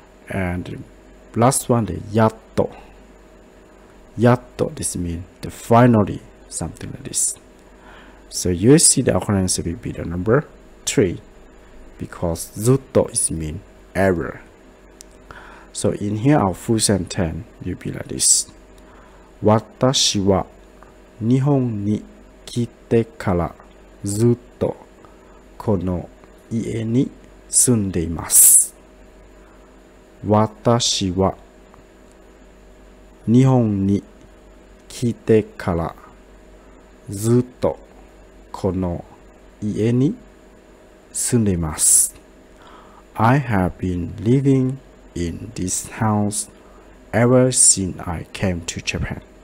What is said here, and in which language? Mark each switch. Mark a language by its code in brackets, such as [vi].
[en] And last one, the yatto. Yatto this mean the finally, something like this. So you see the occurrence will be the number 3, because ずっと is mean ever. So in here, our full sentence will be like this. [ja] 私は日本に来てからずっとこの家に住んでいます。私は日本に来てからずっとこの家に住んでいます。 [en] I have been living in this house ever since I came to Japan.